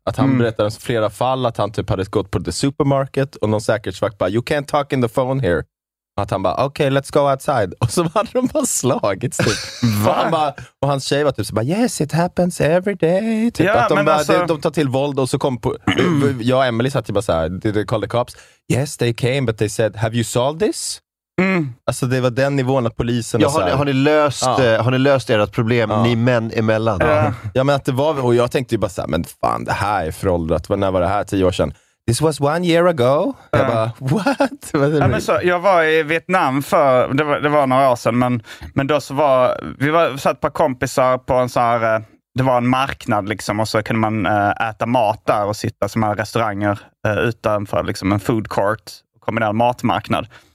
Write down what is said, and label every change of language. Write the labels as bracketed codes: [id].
[sv] Att han berättade om flera fall att han typ hade gått på [en] the supermarket [sv] och någon säkerhetsvakt bara, [en] you can't talk in the phone here. [sv] Och att han bara, okay, [en] let's go outside. [sv] Och så hade de bara slagits typ. Och hans tjej var typ så bara, [en] yes, it happens every day. [sv] Typ, ja, att de, bara, alltså, de tar till våld och så kom på, jag och Emily satt typ bara så här, [en] did they call the cops? Yes, they came, but they said, have you solved this? Mm. [sv] Alltså det var den nivån att polisen, ja, har ni löst ert problem, ja, ni män emellan. Ja, men att det var, och jag tänkte ju bara så här, men fan, det här är föråldrat. När var det här, 10 år sedan? [en] This was 1 year ago. [sv] Jag bara, what? Ja, men så, jag var i Vietnam för, det var några år sedan, men då så var vi, var så ett par kompisar på en så här, det var en marknad liksom, och så kunde man äta mat där och sitta som här restauranger utanför liksom en food court, kombinerad matmarknad.